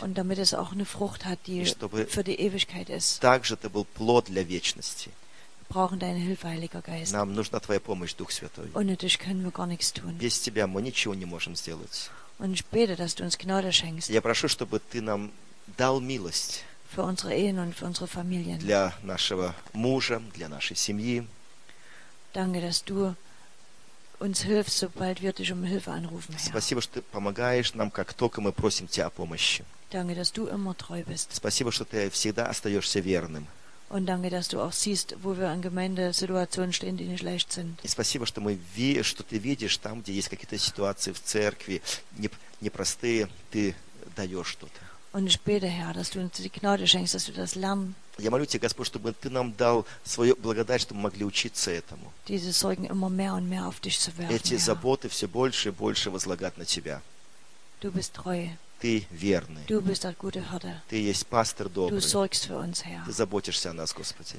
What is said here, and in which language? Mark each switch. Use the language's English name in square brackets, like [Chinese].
[German] Und damit es auch eine Frucht hat, die für die Ewigkeit ist. [Russian] Также это был плод для вечности. [German] Wir brauchen deine Hilfe, Heiliger Geist. [Russian] Нам нужна твоя помощь, Дух Святой. [German] Ohne dich können wir gar nichts tun. [Russian] Без тебя мы ничего не можем сделать. [German] Und ich bete, dass du uns Gnade schenkst. [Russian] Я прошу, чтобы ты нам дал милость. [German] Für unsere Ehen und für unsere Familien. [Russian] Для нашего мужа, для нашей семьи. [German] Danke, dass du uns hilfst, sobald wir dich um Hilfe anrufen, Herr. [Russian] Спасибо, что ты помогаешь нам, как только мы просим тебя о помощи. [German] Danke, dass du immer treu bist. [Russian] Спасибо, что ты всегда остаешься верным. [German] Und danke, dass du auch siehst, wo wir in Gemeindesituationen stehen, die nicht leicht sind. [Russian] И спасибо, что ты видишь там, где есть какие-то ситуации в церкви, непростые, ты даешь что-то. [German] Und ich bete, Herr, dass du uns die Gnade schenkst, dass wir das lernen. [Russian] Я молю тебя, Господь, чтобы ты нам дал свою благодать, чтобы мы могли учиться этому. [German] Diese Sorgen immer mehr und mehr auf dich zu werfen, [Russian] эти заботы все больше и больше возлагать на тебя. [German] Du bist treu. [Russian] Ты верный. [German] Du bist der gute Hirte. [Russian] Ты есть пастор добрый. [German] Du sorgst für uns, Herr. [Russian] Ты заботишься о нас, Господи.